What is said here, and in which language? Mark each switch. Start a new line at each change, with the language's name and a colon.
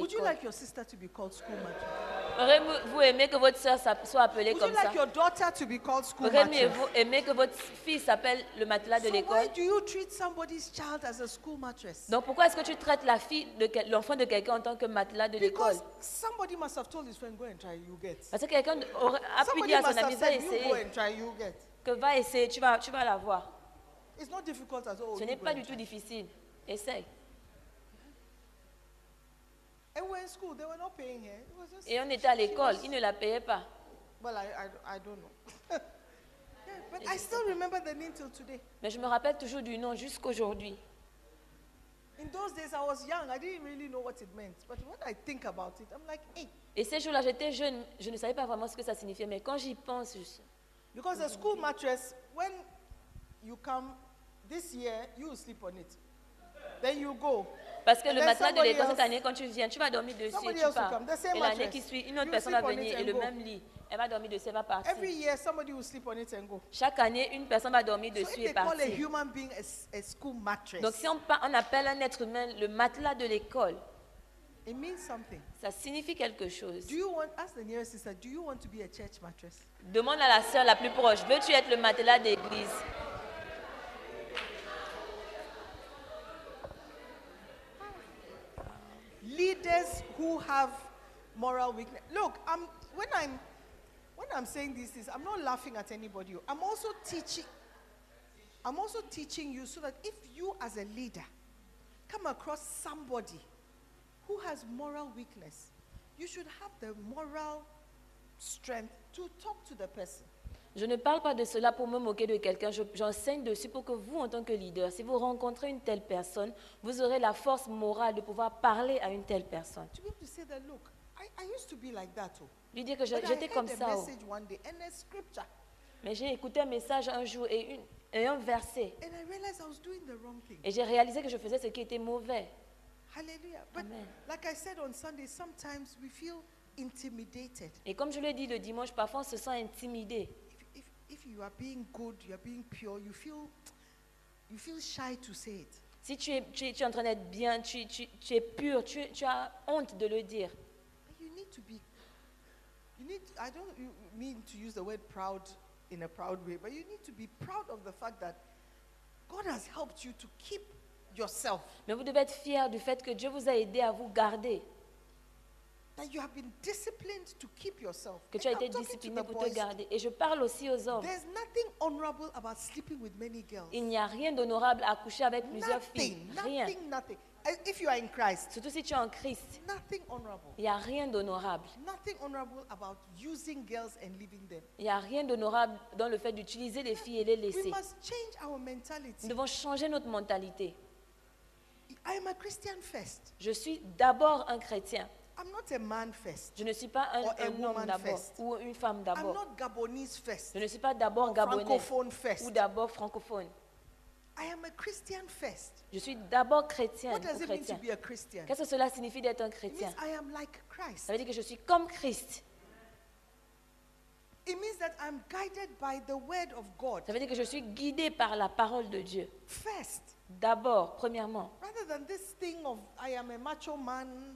English: Would you like your sister to be called school mattress?
French: Aurez-vous aimé que votre sœur soit appelée comme
English: like
French: ça?
English: Your daughter to be called school mattress?
French: Aurez-vous aimé que votre fille s'appelle le matelas
English: so
French: de l'école?
English: Why do you treat somebody's child as a school mattress?
French: Donc pourquoi est-ce que tu traites la fille de l'enfant de quelqu'un en tant que matelas de l'école?
English: Because somebody must have told his friend go and try you get.
French: Parce que quelqu'un a pu dire à son ami va essayer. Que va essayer, tu vas la voir.
English: It's not difficult as all.
French: Ce n'est pas du tout difficile. Essaye.
English: And we're in school. They were not paying her. It was just,
French: et on était à l'école. Ils ne la payaient pas.
English: Well, I don't know. Yeah, but I still remember the name till today.
French: Mais je me rappelle toujours du nom jusqu'aujourd'hui.
English: In those days, I was young. I didn't really know what it meant. But when I think about it, I'm like, hey.
French: Et ces jours-là, j'étais jeune. Je ne savais pas vraiment ce que ça signifiait. Mais quand j'y pense,
English: because the school mattress, when you come this year, you will sleep on it. Then you go.
French: Parce que le matelas de l'école cette année, quand tu viens, tu vas dormir dessus et tu pars. Et l'année qui suit, une autre personne va venir et le même lit. Elle va dormir dessus, elle va partir. Every year, somebody will sleep on it and go. Chaque année, une personne va dormir dessus et partir. Donc si on appelle un être humain le matelas de l'école,
English: it means something.
French: Ça signifie quelque chose.
English: Ask the nearest sister, do you want to be a church mattress?
French: Demande à la sœur la plus proche, veux-tu être le matelas d'église?
English: Leaders who have moral weakness. Look, when I'm saying this, I'm not laughing at anybody. I'm also teaching you so that if you as a leader come across somebody who has moral weakness, you should have the moral strength to talk to the person.
French: Je ne parle pas de cela pour me moquer de quelqu'un. J'enseigne dessus pour que vous, en tant que leader, si vous rencontrez une telle personne, vous aurez la force morale de pouvoir parler à une telle personne.
English: To be able to say that, look, I used to be like that, oh.
French: Lui dire que j'étais comme ça.
English: But I heard a message one day and a scripture.
French: Mais j'ai écouté un message un jour et un verset.
English: And I realized I was doing the wrong thing.
French: Et j'ai réalisé que je faisais ce qui était mauvais.
English: Hallelujah. But amen. Like I said on Sunday, sometimes we feel intimidated.
French: Et comme je l'ai dit le dimanche, parfois on se sent intimidé.
English: If you are being good, you are being pure, you feel You feel shy to say it.
French: Si tu es en train d'être bien, tu es pur, tu as honte de le dire.
English: But you need to be. You need. I don't mean to use the word proud in a proud way, but you need to be proud of the fact that God has helped you to keep yourself.
French: Mais vous devez être fier du fait que Dieu vous a aidé à vous garder.
English: That you have been disciplined to keep yourself.
French: Que tu as été discipliné pour te garder. Et je parle aussi aux hommes.
English: There's nothing honorable about sleeping with many girls.
French: Il n'y a rien d'honorable à coucher avec plusieurs filles. Rien.
English: Nothing. If you are in Christ.
French: Surtout si tu es en Christ.
English: Nothing honorable.
French: Il n'y a rien d'honorable.
English: Nothing honorable about using girls and leaving them.
French: Il n'y a rien d'honorable dans le fait d'utiliser les filles et les laisser.
English: We must change our mentality.
French: Nous devons changer notre mentalité.
English: I am a Christian first.
French: Je suis d'abord un chrétien.
English: I'm not a man first.
French: Je ne suis pas un homme d'abord
English: first.
French: Ou une femme d'abord.
English: I'm not Gabonese first.
French: Je ne suis pas d'abord
English: or
French: gabonais
English: francophone first.
French: Ou d'abord francophone.
English: I am a Christian first.
French: Je suis d'abord chrétien.
English: What does it
French: chrétien.
English: Mean to be a Christian?
French: Qu'est-ce que cela signifie d'être un chrétien?
English: It means I am like Christ.
French: Ça veut dire que je suis comme Christ.
English: It means that I'm guided by the word of God.
French: Ça veut dire que je suis guidé par la parole de Dieu.
English: First.
French: D'abord, premièrement.
English: Rather than this thing of I am a macho man.